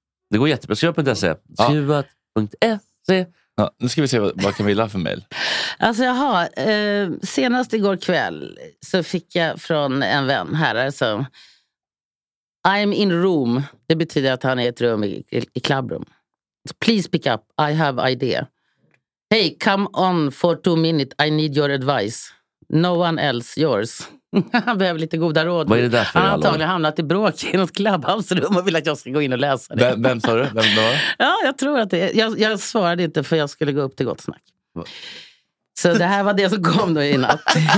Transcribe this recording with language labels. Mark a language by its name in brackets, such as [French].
[Swedish] Det går jättebra. Skö.se. Skö.se. Ja, nu ska vi se vad Camilla har för mejl. Alltså jaha, senast igår kväll så fick jag från en vän här. Alltså, [English] I'm in room. [Swedish] Det betyder att han är i ett rum i clubroom. [English] So please pick up, I have idea. Hey, come on for 2 minutes, I need your advice. No one else, yours. [Swedish] Han behöver lite goda råd. Vad är det där för? Han har antagligen hamnat i bråk i något clubhouse-rum och vill att jag ska gå in och läsa det. Vem sa du? Vem då? Ja, jag tror att det är. Jag svarade inte för jag skulle gå upp till Gott Snack. Så det här var det som kom då i natt.